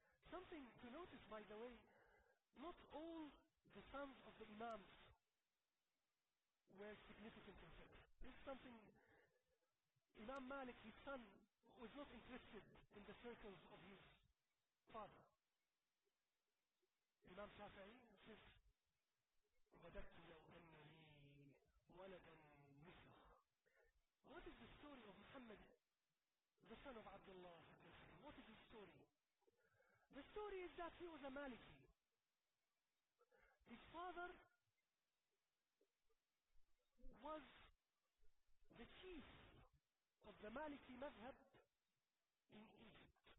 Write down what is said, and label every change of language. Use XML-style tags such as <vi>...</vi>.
<en>Something to notice, by the way, not all the sons of the Imams were significant in fiqh. This is something Imam Malik, his son, was not interested in the circles of his father. Imam Shafi'i says,</en> <ar>وَدَدْتُ لَوْ أَنَّ لِي وَلَدًا مِثْلُهُ.</ar> <en>What is the story of Muhammad, the son of Abdullah? What is his story? The story is that he was a Maliki. His father was the chief of the Maliki Madhab in Egypt.</en>